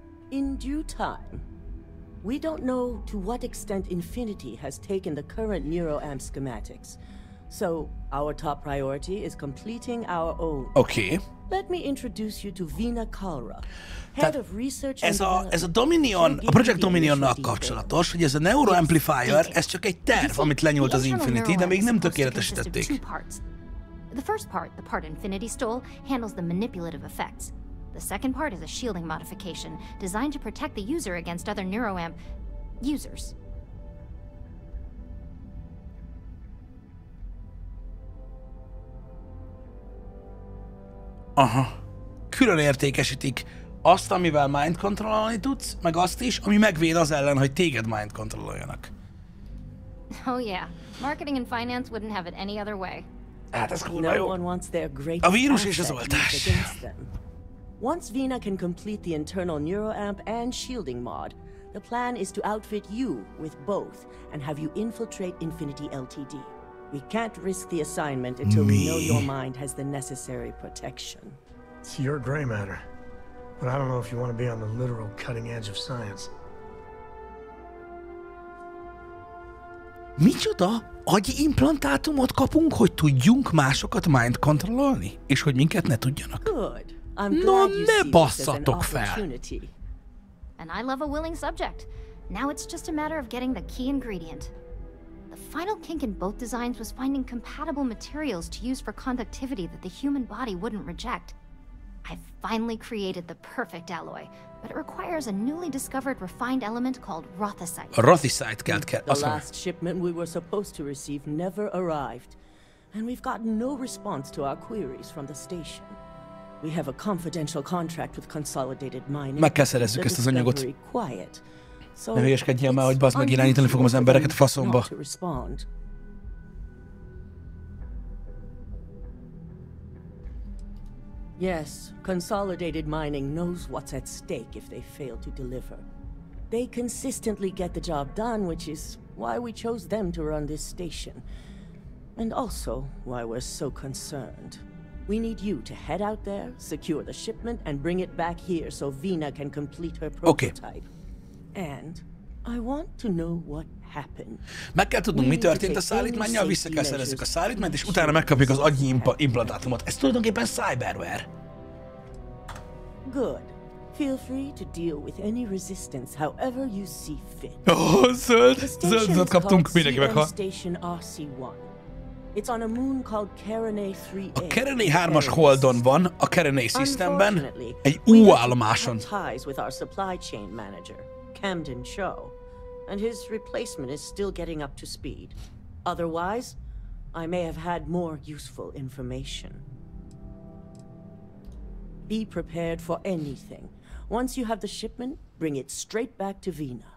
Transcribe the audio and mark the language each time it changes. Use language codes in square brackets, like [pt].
[en] In due time, we don't know to what extent Infinity has taken the current NeuroAmp schematics, so our top priority is completing our own. Okay. Let me introduce you to Vina Kalra, head of research and development. [hu] Ez a Dominion, a Project Dominionnal kapcsolatos, hogy ez a neuroamplifier, ez csak egy terv, amit lenyúlt az Infinity, de még nem tökéletesítették. [en] The first part, the part Infinity stole, handles the manipulative effects. The second part is a shielding modification designed to protect the user against other neuroamp users. Aha. [hu] Külön értékesítik azt, amivel mind kontrollálni tudsz, meg azt is, ami megvéd az ellen, hogy téged mind kontrolloljanak. [en] Oh yeah. Marketing and finance wouldn't have it any other way. [hu] Hát ez kurva jó. A vírus és az oltás. [en] Once Vina can complete the internal neuroamp and shielding mod, the plan is to outfit you with both and have you infiltrate Infinity LTD. We can't risk the assignment until we know your mind has the necessary protection. It's your gray matter, but I don't know if you want to be on the literal cutting edge of science. [hu] Micsoda agyi implantátumot kapunk, hogy tudjunk másokat mind kontrollálni, és hogy minket ne tudjanak. [en] Good. I'm glad you see this as an opportunity. And I love a willing subject. Now it's just a matter of getting the key ingredient. The final kink in both designs was finding compatible materials to use for conductivity that the human body wouldn't reject. I've finally created the perfect alloy, but it requires a newly discovered refined element called Rothesite. Rothesite, Geltkett. The last shipment we were supposed to receive never arrived, and we've gotten no response to our queries from the station. We have a confidential contract with Consolidated Mining. [hu] Meg kell szerezzük ezt az anyagot. [en] Quiet. [hu] Ne hülyeskedjél már, hogy bazd meg, irányítani fogom az embereket a faszomba. [en] Yes, consolidated mining knows what's at stake if they fail to deliver. They consistently get the job done, which is why we chose them to run this station. And also why we're so concerned. We need you to head out there, secure the shipment, and bring it back here so Vina can complete her prototype. Okay. And I want to know what happened. [hu] Meg kell tudnunk, mi történt a szállítmánnyal, vissza kell szerezzük a szállítmányt, és utána megkapjuk az agyi implantátumot. Ez tulajdonképpen cyberware. [en] Good. Feel free to deal with any resistance however you see fit. [hu] Oh, zöldet kaptunk, mindenki meghal. [en] Station RC1. It's on a moon called Carinae 3A. [hu] A Carinae 3-as holdon van, a Carinae systemben, egy U-állomáson. [en] Ties with our supply chain manager, Camden Cho, and his replacement is still getting up to speed. Otherwise, I may have had more useful information. Be prepared for anything. Once you have the shipment, bring it straight back to Vina.